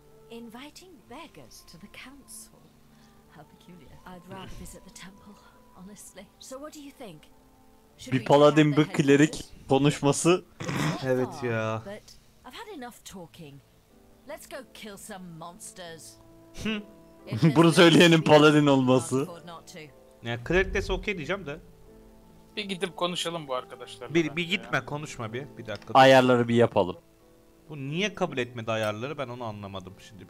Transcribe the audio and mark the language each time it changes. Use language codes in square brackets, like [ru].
[en] Inviting beggars to the council. How peculiar. I'd rather visit the temple, honestly. So what do you think? [tr] Bir paladin bık klerik konuşması. Evet ya. [en] I've had enough talking. Let's go kill some monsters. [tr] Bunu söyleyenin paladin olması. Ya klerik dese okey diyeceğim de. Bir gidip konuşalım bu arkadaşlarla. Bir gitme ya. Konuşma bir dakika. Ayarları bir yapalım. Bu niye kabul etmedi ayarları, ben onu anlamadım şimdi.